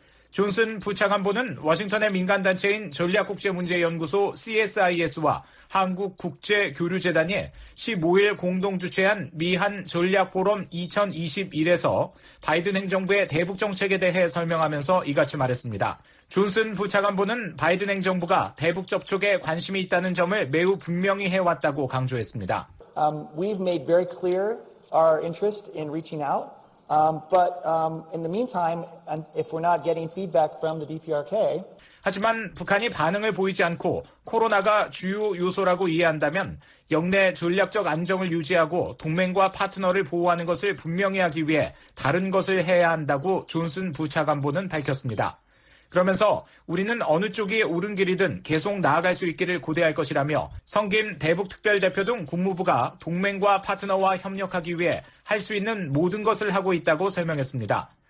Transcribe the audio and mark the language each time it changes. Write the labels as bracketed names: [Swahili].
[Korean] 존슨 부차관보는 워싱턴의 민간단체인 전략국제문제연구소 CSIS와 한국국제교류재단이 15일 공동 주최한 미한 전략포럼 2021에서 바이든 행정부의 대북정책에 대해 설명하면서 이같이 말했습니다. 존슨 부차관보는 바이든 행정부가 대북 접촉에 관심이 있다는 점을 매우 분명히 해왔다고 강조했습니다. [English] We've made very clear our interest in reaching out. In the meantime, if we're not getting feedback from the DPRK, [Korean] 하지만 북한이 반응을 보이지 않고 코로나가 주요 요소라고 이해한다면 영내 전략적 안정을 유지하고 동맹과 파트너를 보호하는 것을 분명히 하기 위해 다른 것을 해야 한다고 존슨 부차관보는 밝혔습니다. 그러면서 우리는 어느 쪽이 옳은 길이든 계속 나아갈 수 있기를 고대할 것이라며 성김 대북특별대표 등 국무부가 동맹과 파트너와 협력하기 위해 할 수 있는 모든 것을 하고 있다고 설명했습니다.